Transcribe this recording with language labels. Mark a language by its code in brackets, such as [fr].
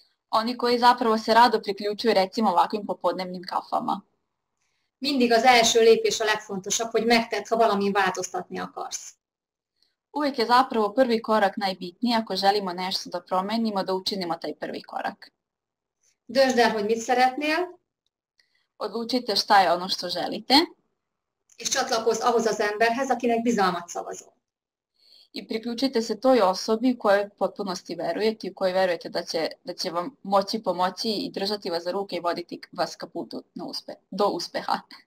[sr] Oni koji zapravo se rado priključuju recimo ovakvim popodnevnim kafama. [hu] Mindig az első lépés a legfontosabb, hogy megtedd, ha valami változtatni akarsz. [sr] Uvijek je zapravo prvi korak najbitniji, ako želimo nešto da promenimo, da učinimo taj prvi korak. [hu] Döntsd el, hogy mit szeretnél. [sr] Odlučite šta je ono što želite. [hu] És csatlakozz ahhoz az emberhez, akinek bizalmat szavazol. [sr] I priključite se toj osobi u kojoj potpunosti verujete i u kojoj verujete da će vam moći pomoći i držati vas za ruke i voditi vas ka putu do uspeha.